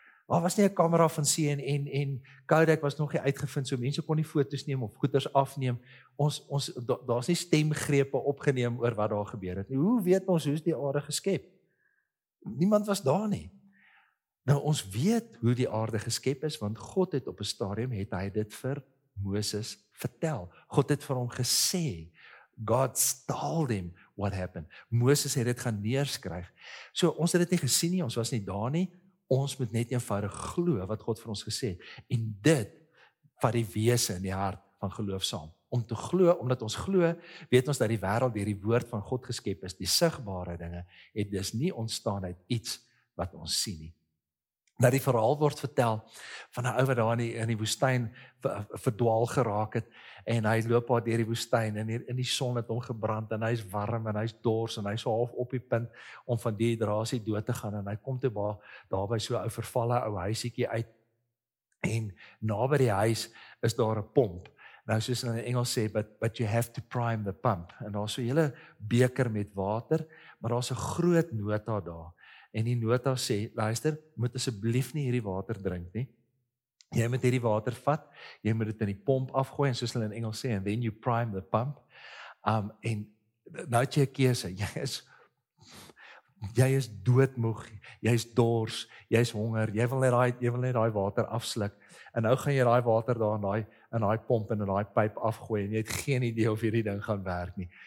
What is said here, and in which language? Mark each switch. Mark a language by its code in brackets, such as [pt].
[af] Daar was nie 'n kamera van CNN en Kodak was nog nie uitgevind, so mense kon nie foto's neem of goeders afneem. Ons daar's nie stemgrepe opgeneem oor wat daar gebeur het. Hoe weet ons hoe is die aarde geskep? Niemand was daar nie. Nou, ons weet hoe die aarde geskep is, want God het op 'n stadium, het hy dit vir Moses vertel. God het vir hom gesê, [en] God told him what happened. [af] Moses het dit gaan neerskryf. So, ons het dit nie gesien nie, ons was nie daar nie. Ons moet net eenvoudig glo wat God vir ons gesê. En dit vat die wese in die hart van geloof saam. Om te glo, omdat ons glo, weet ons dat die wêreld deur die woord van God geskep is. Die sigbare dinge het dus nie ontstaan uit iets wat ons sien nie. Dat die verhaal word vertel van 'n ou wat daar in die woestyn verdwaal geraak het en hy loop daar deur die woestyn en in die son het hom gebrand en hy's warm en hy's dors en hy's half op die punt om van dehydrasie dood te gaan en hy kom toe daarby so 'n ou vervalle ou huisietjie uit en naby die huis is daar 'n pomp. Nou soos hulle in Engels sê, [en] but you have to prime the pump. [af] En daar's so 'n hele beker met water, maar daar's 'n groot nota daar. En die nota sê, luister, moet asseblief nie hierdie water drink nie. Jy moet hierdie water vat, jy moet dit in die pomp afgooi, en soos hulle in Engels sê, [en] and then you prime the pump. [af] En nou het jy 'n keuse, jy is doodmoeg, jy is dors, jy is honger, jy wil net daai water afsluk, en nou gaan jy daai water daar in daai pomp en in daai pyp afgooi, en jy het geen idee of hierdie ding gaan werk nie.